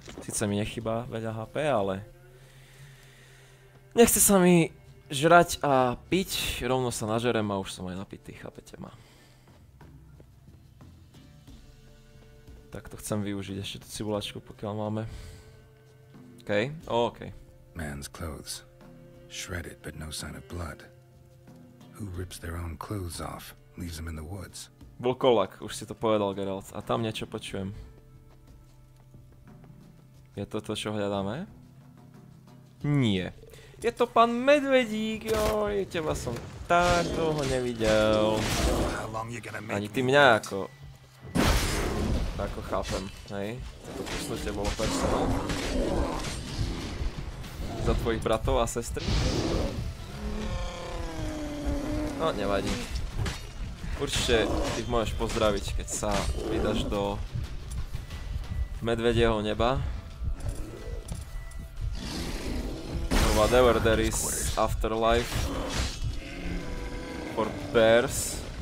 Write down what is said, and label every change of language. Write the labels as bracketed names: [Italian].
[Slovak] Sice mi nechýba veľa HP, ale... Nechce sa mi žrať a piť, rovno sa nažerem a už som aj napitý, chápete ma. Tak to chcem využiť ešte tú cibulačku, pokiaľ máme. Okej, okay. Okej. [English] Okay. Man's clothes. Shredded, but no sign of blood. Who rips their own clothes off, leaves them in the woods? [Slovak] Vlkolak, už si to povedal, Geralt. A tam niečo počujem. Je to to, čo hľadáme? Nie. Je to pán medvedík, joj, teba som tak dlho nevidel. Ani ty mňa ako... Ako chápem, hej? Toto pusnutie bolo personál. Za tvojich bratov a sestry? No, nevadí. Určite ty môžeš pozdraviť, keď sa vydaš do medvedieho neba. [English] Whatever there is afterlife for bears.